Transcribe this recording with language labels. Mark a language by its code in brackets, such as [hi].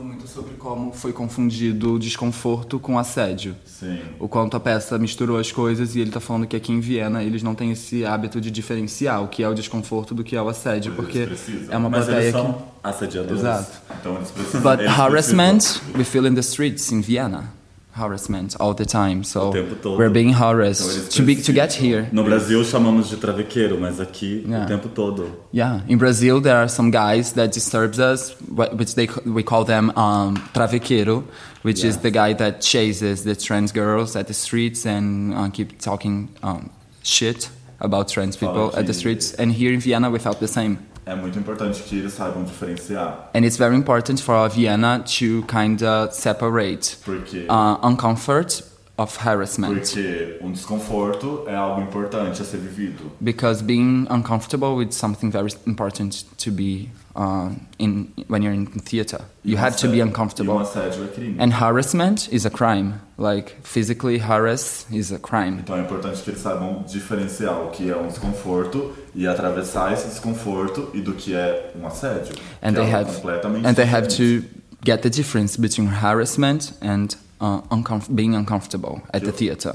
[pt] Sobre como foi confundido o desconforto com assédio. Sim. O quanto a peça misturou as coisas, e ele está falando que aqui em Viena eles não têm esse hábito de diferenciar o que é o desconforto do que é o assédio, porque é uma plateia que... Mas eles são assediadores. Exato. Então eles precisam. [en] But harassment, we feel in the streets in Vienna. Harassment all the time. So [pt] o tempo todo. [en] We're being harassed to get here. [pt] No Brasil chamamos de travequeiro, mas aqui o tempo todo. [en] Yeah, in Brazil there are some guys that disturbs us, which we call them travequeiro, which is the guy that chases the trans girls at the streets and keep talking shit about trans people at the streets. And here in Vienna we felt the same. [pt] É muito importante que eles saibam diferenciar. [en] And it's very important for Vienna to kind of separate uncomfort of harassment. [pt] Porque um desconforto é algo importante a ser vivido. [en] Because being uncomfortable is something very important to be in when you're in theater. You have to be uncomfortable. [pt] E um assédio é crime. [en] And harassment is a crime. Like physically harass is a crime. [pt] Então é importante que eles saibam diferenciar o que é um desconforto e atravessar esse desconforto e do que é um assédio. [en] And [pt] que [en] they [pt] é [en] have [pt] completamente [en] and [pt] diferente. [en] They have to get the difference between harassment and being uncomfortable at the theater.